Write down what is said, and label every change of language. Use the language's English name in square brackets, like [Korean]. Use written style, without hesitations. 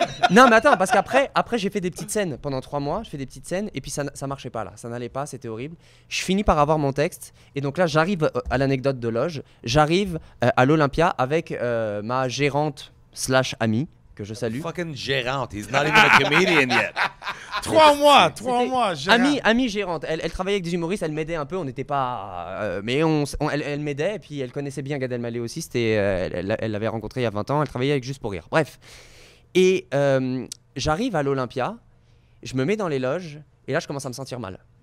[French] Non mais attends, parce qu'après j'ai fait des petites scènes pendant 3 mois. Je fais des petites scènes et puis ça marchait pas là. Ça n'allait pas, c'était horrible. Je finis par avoir mon texte. Et donc là j'arrive à l'anecdote de loge. J'arrive à l'Olympia avec ma gérante slash amie que je salue. [English] Fucking gérante, he's not even a comedian yet. [French] 3 mois, gérante. Amie gérante, elle travaillait avec des humoristes, elle m'aidait un peu, on n'était pas... mais elle m'aidait, et puis elle connaissait bien Gad Elmaleh aussi, elle l'avait rencontré il y a 20 ans, elle travaillait avec Juste pour rire. Bref, et j'arrive à l'Olympia, je me mets dans les loges, et là je commence à me sentir mal.